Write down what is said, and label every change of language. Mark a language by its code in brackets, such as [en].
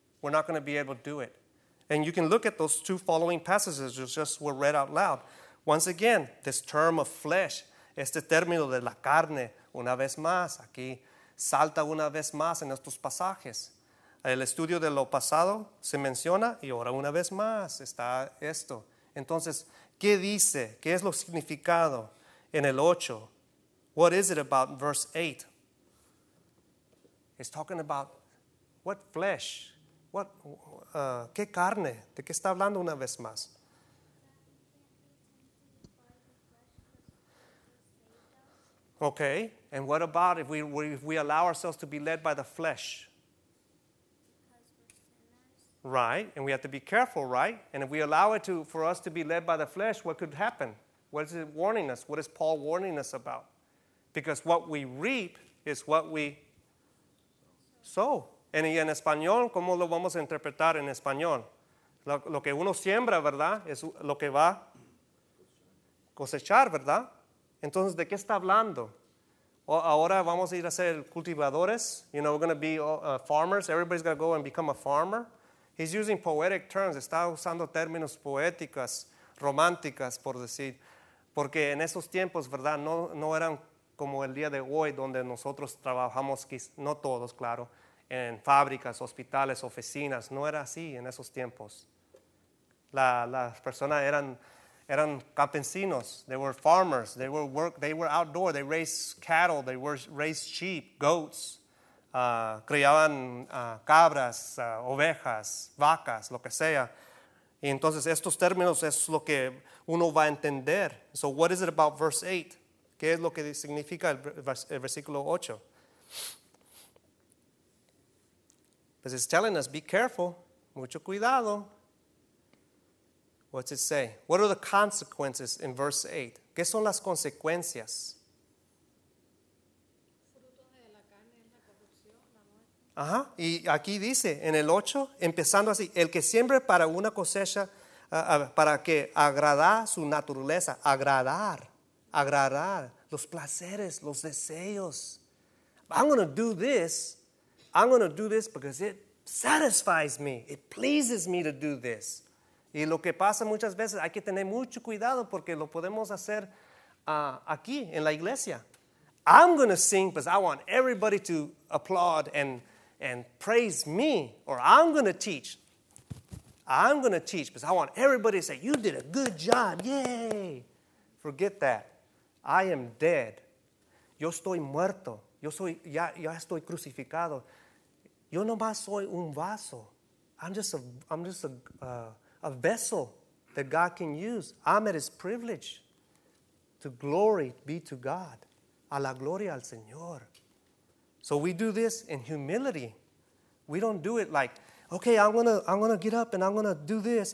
[en] We're not going to be able to do it. And you can look at those two following passages that just were read out loud. Once again, this term of flesh, [es] este término de la carne, una vez más, aquí, salta una vez más en estos pasajes. El estudio de lo pasado se menciona y ahora una vez más está esto. Entonces, ¿qué dice? ¿Qué es lo significado en el 8? [en] What is it about verse 8? It's talking about what flesh? [es] What ¿qué carne? ¿De qué está hablando una vez más? [en] Okay, and what about if we allow ourselves to be led by the flesh? Right, and we have to be careful, right? And if we allow it for us to be led by the flesh, what could happen? What is it warning us? What is Paul warning us about? Because what we reap is what we sow. [es] Y en español, ¿cómo lo vamos a interpretar en español? Lo que uno siembra, ¿verdad? Es lo que va a cosechar, ¿verdad? Entonces, ¿de qué está hablando? Ahora vamos a ir a ser cultivadores. [en] You know, we're going to be farmers. Everybody's going to go and become a farmer. He's using poetic terms. [es] Está usando términos poéticas, románticas, por decir. Porque en esos tiempos, ¿verdad? No eran como el día de hoy, donde nosotros trabajamos, no todos, claro, en fábricas, hospitales, oficinas. No era así en esos tiempos. Las personas eran campesinos. [en] They were farmers. They were outdoor. They raised cattle. They raised sheep, goats. [es] Criaban cabras, ovejas, vacas, lo que sea. Y entonces estos términos es lo que uno va a entender. [en] So what is it about verse 8? [es] ¿Qué es lo que significa el versículo 8? [en] Because it's telling us, be careful, [es] mucho cuidado. [en] What's it say? What are the consequences in verse 8? [es] ¿Qué son las consecuencias? Ajá, y aquí dice en el 8, empezando así, el que siembra para una cosecha, para que agrada su naturaleza, agradar los placeres, los deseos. [en] I'm going to do this because it satisfies me, it pleases me to do this. [es] Y lo que pasa muchas veces, hay que tener mucho cuidado porque lo podemos hacer aquí en la iglesia. [en] I'm going to sing because I want everybody to applaud and praise me, or I'm going to teach because I want everybody to say, you did a good job, yay. Forget that. I am dead. [es] Yo estoy muerto. Yo soy, ya estoy crucificado. Yo nomás soy un vaso. [en] I'm just a vessel that God can use. I'm at his privilege. To glory be to God. [es] A la gloria al Señor. [en] So we do this in humility. We don't do it like, okay, I'm gonna get up and I'm gonna do this.